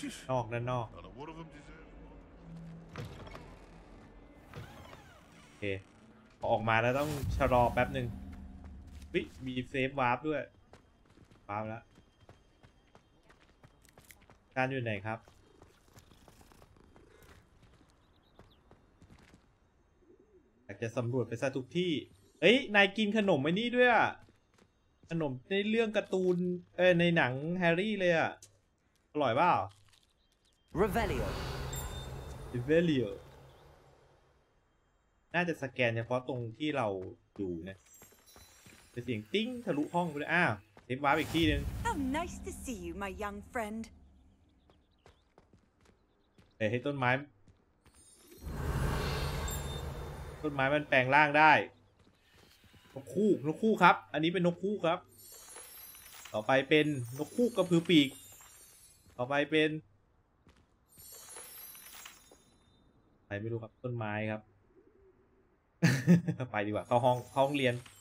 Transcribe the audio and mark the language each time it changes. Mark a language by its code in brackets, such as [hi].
[th] นอกนั่นนอกโอเคพอออกมาแล้วต้องชะลอแป๊บนึงวิมีเซฟวาร์ปด้วยวาร์ปแล้วการอยู่ไหนครับอยากจะสำรวจไปซะทุกที่เอ้ยนายกินขนมไอ้นี่ด้วยอ่ะขนมในเรื่องการ์ตูนเอ้ยในหนังแฮร์รี่เลยอ่ะอร่อยเปล่า [en] Revelio [th] Revelio น่าจะสแกนเฉพาะตรงที่เราอยู่นะจะเสียงติ้งทะลุห้องไปอ้าวเซฟวาร์ปอีกที่นึง [en] How nice to see you my young friend [th] เอ้ยให้ต้นไม้ต้นไม้มันแปลงร่างได้นกคู่นกคู่ครับอันนี้เป็นนกคู่ครับต่อไปเป็นนกคู่กระพือปีกต่อไปเป็นใครไม่รู้ครับต้นไม้ครับ ไปดีกว่าเข้าห้องเข้าห้องเรียน